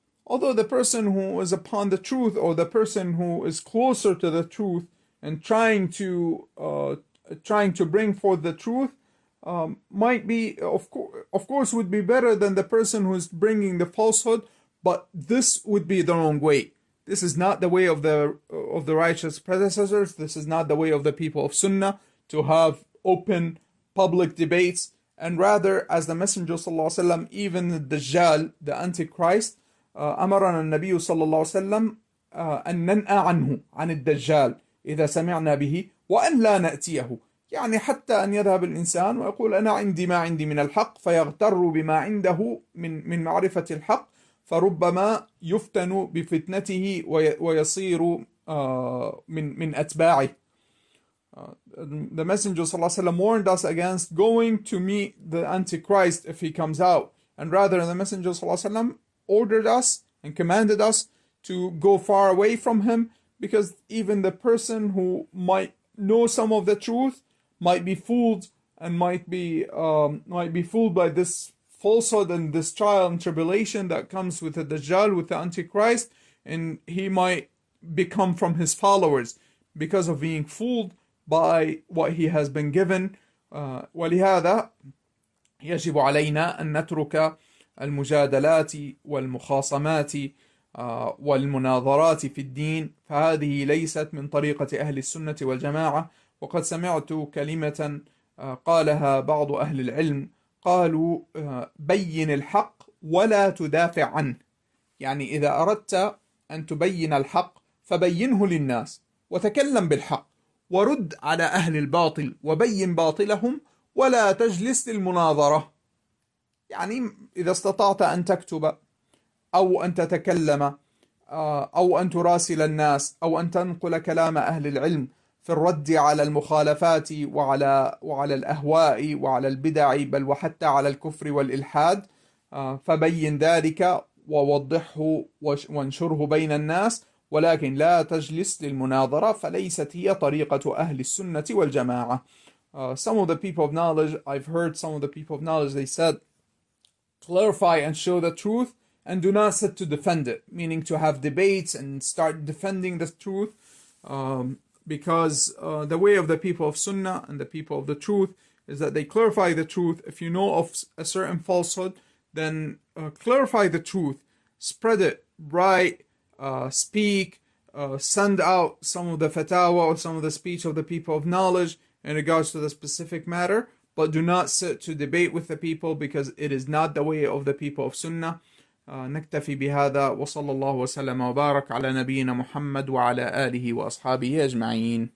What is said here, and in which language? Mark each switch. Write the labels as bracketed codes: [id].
[en] Although the person who is upon the truth or the person who is closer to the truth and trying to bring forth the truth might be, of course, would be better than the person who is bringing the falsehood, but this would be the wrong way. This is not the way of the righteous predecessors. This is not the way of the people of Sunnah to have open public debates. And rather, as the Messenger sallallahu alaihi wasallam, even the Dajjal, the Antichrist, [ar] أمرنا النبي صلى الله عليه وسلم أن ننأى عنه عن الدجال إذا سمعنا به وأن لا نأتيه يعني حتى أن يذهب الإنسان ويقول أنا عندي ما عندي من الحق فيغتر بما عنده من معرفة الحق فربما يفتن بفتنته ويصير من أتباعه. [en] The Messenger صلى الله عليه وسلم warned us against going to meet the Antichrist if he comes out. And rather, the Messenger صلى الله عليه وسلم ordered us and commanded us to go far away from him, because even the person who might know some of the truth might be fooled and might be fooled by this falsehood and this trial and tribulation that comes with the Dajjal, with the Antichrist, and he might become from his followers because of being fooled by what he has been given. [ar] ولهذا يجب علينا أن نترك المجادلات والمخاصمات والمناظرات في الدين، فهذه ليست من طريقة أهل السنة والجماعة. وقد سمعت كلمة قالها بعض أهل العلم، قالوا: بين الحق ولا تدافع عنه. يعني إذا أردت أن تبين الحق فبينه للناس وتكلم بالحق ورد على أهل الباطل وبين باطلهم ولا تجلس للمناظرة. يعني إذا استطعت أن تكتب أو أن تتكلم أو أن تراسل الناس أو أن تنقل كلام أهل العلم في الرد على المخالفات وعلى الأهواء وعلى البدع، بل وحتى على الكفر والإلحاد، فبين ذلك ووضحه وانشره بين الناس، ولكن لا تجلس للمناظرة، فليست هي طريقة أهل السنة والجماعة. [en] Some of the people of knowledge, I've heard some of the people of knowledge, they said, clarify and show the truth and do not sit to defend it, meaning to have debates and start defending the truth, because the way of the people of Sunnah and the people of the truth is that they clarify the truth. If you know of a certain falsehood, then clarify the truth, spread it, write, speak, send out some of the fatawa or some of the speech of the people of knowledge in regards to the specific matter, but do not sit to debate with the people, because it is not the way of the people of Sunnah. [ar] نكتفي بهذا، وصلى الله وسلم وبارك على نبينا محمد وعلى آله وأصحابه أجمعين.